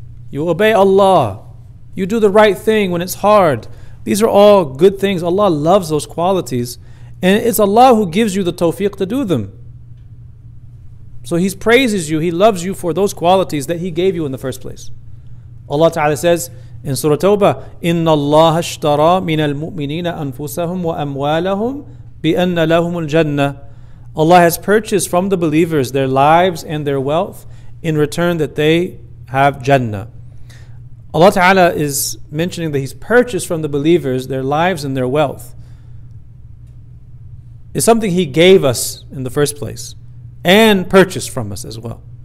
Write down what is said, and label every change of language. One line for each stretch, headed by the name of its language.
English: You obey Allah. You do the right thing when it's hard. These are all good things. Allah loves those qualities. And it's Allah who gives you the tawfiq to do them. So He praises you. He loves you for those qualities that He gave you in the first place. Allah Ta'ala says in Surah Tawbah,
Arabic: إِنَّ اللَّهَ اشْتَرَى مِنَ الْمُؤْمِنِينَ أَنفُسَهُمْ وَأَمْوَالَهُمْ بِأَنَّ لَهُمُ الْجَنَّةِ.
English: Allah has purchased from the believers their lives and their wealth in return that they have Jannah. Allah Ta'ala is mentioning that He's purchased from the believers their lives and their wealth. It's something He gave us in the first place and purchased from us as well.